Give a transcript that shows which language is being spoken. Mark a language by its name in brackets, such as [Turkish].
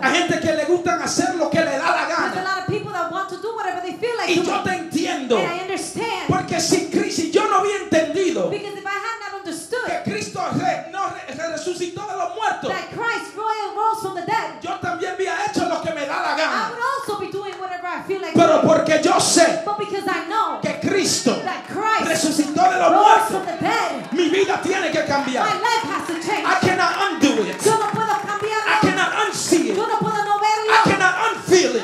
[Spanish] Hay gente que le gustan hacer lo que le da la gana. [English] There's a lot of people that want to do whatever they feel like. [Spanish] Y yo te entiendo. [English] And I understand. [Spanish] Porque sin Cristo, yo no había entendido. [English] Because if I had not understood. [Spanish] Que Cristo resucitó de los muertos. [English] That Christ rose from the dead. [Spanish] Yo también había hecho lo que me da la gana. [English] I would also be doing whatever I feel like. [Spanish] Pero porque yo sé. [English] But because I know. [Spanish] Que Cristo. [English] That Christ [Spanish] resucitó de los muertos. [English] From the dead. [Spanish] Mi vida tiene que cambiar. [English] My life has to change. I cannot undo it. [Spanish] Yo no puedo cambiarlo. [English] I cannot unsee it. [Spanish] Yo no puedo no verlo. [English] I cannot unfeel it.